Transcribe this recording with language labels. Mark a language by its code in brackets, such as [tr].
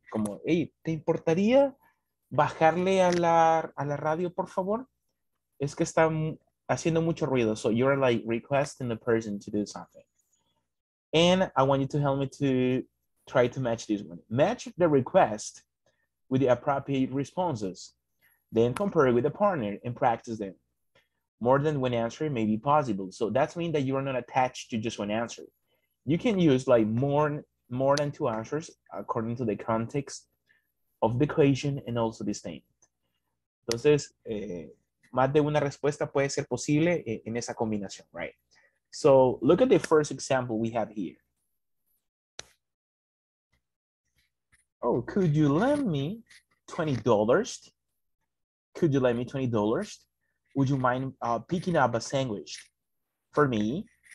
[es] Como, hey, ¿te importaría bajarle a la radio, por favor? Es que está haciendo mucho ruido. [en] So you're like requesting the person to do something. And I want you to help me to try to match this one. Match the request with the appropriate responses. Then compare it with a partner and practice them. More than one answer may be possible. So that means that you are not attached to just one answer. You can use like more than two answers according to the context of the equation and also the statement. [es] Entonces, más de una respuesta puede ser posible en esa combinación, right? [en] So look at the first example we have here. Oh, could you lend me $20? Could you lend me $20? Would you mind picking up a sandwich for me?